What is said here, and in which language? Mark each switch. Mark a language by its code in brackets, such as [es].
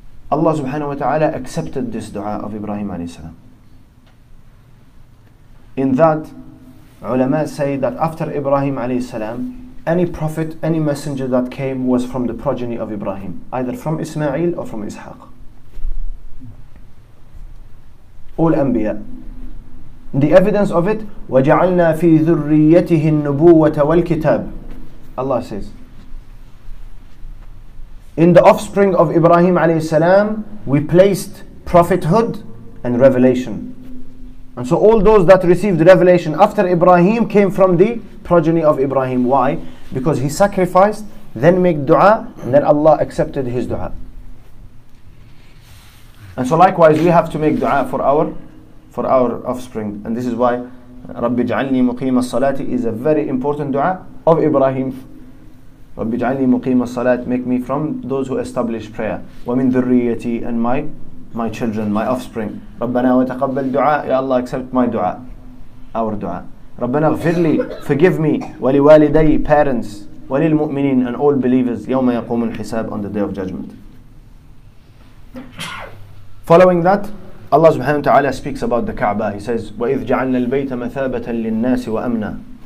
[en] Allah subhanahu wa ta'ala accepted this dua of Ibrahim alayhi salam. In that, ulama say that after Ibrahim alayhi salam, any prophet, any messenger that came was from the progeny of Ibrahim, either from Ismail or from Ishaq. All anbiya. The evidence of it, [ar] وَجَعَلْنَا فِي ذُرِّيَّتِهِ النُّبُوَّةَ وَالْكِتَابِ. [en] Allah says, in the offspring of Ibrahim alayhi salam, we placed prophethood and revelation. And so all those that received revelation after Ibrahim came from the progeny of Ibrahim. Why? Because he sacrificed, then made dua, and then Allah accepted his dua. And so likewise, we have to make dua for our offspring. And this is why [ar] رَبِّ جَعَلْنِي مُقِيمَ الصَّلَاةِ [en] is a very important dua of Ibrahim. [ar] رَبِّ جَعَلْنِي مُقِيمَ الصَّلَاةِ, [en] make me from those who establish prayer. [ar] وَمِن ذُرِّيَّتِي, [en] and my children, my offspring. [ar] رَبَّنَا وَتَقَبَّلْ [en] dua, Ya Allah, accept my dua, our dua. [ar] رَبَّنَا اغْفِرْلِي, [en] forgive me, [ar] وَلِوَالِدَي, [en] parents, [ar] وَلِلْمُؤْمِنِينَ, [en] and all believers, [ar] يَوْمَ يَقُومُ الْحِسَابِ, [en] on the day of judgment. Following that, Allah subhanahu wa ta'ala speaks about the Kaaba. He says, [ar] وَإِذْ جَعَلْنَا الْبَيْتَ مَثَابَةً لِلنَّاسِ وَأَمْنًا.